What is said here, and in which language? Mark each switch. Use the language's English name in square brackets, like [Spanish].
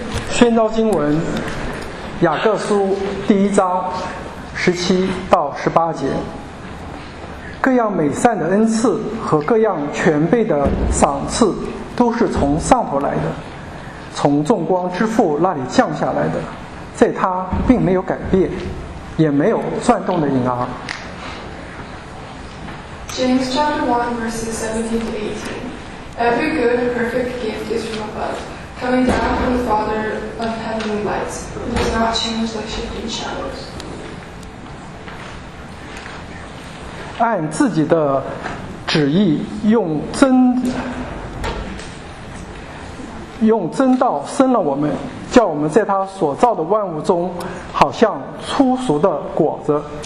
[Chinese] 天道经文雅各书第一章17-18节，各样美善的恩赐和各样全备的赏赐都是从上头来的，从众光之父那里降下来的，在他并没有改变，也没有转动的影儿。 [English] James chapter 1 verses 17-18. Every good and perfect gift is from aboveComing down from the Father of heavenly lights, who does not change like shifting shadows. [Chinese] 按自己的旨意用真道生了我们，叫我们在他所造的万物中，好像粗俗的果子。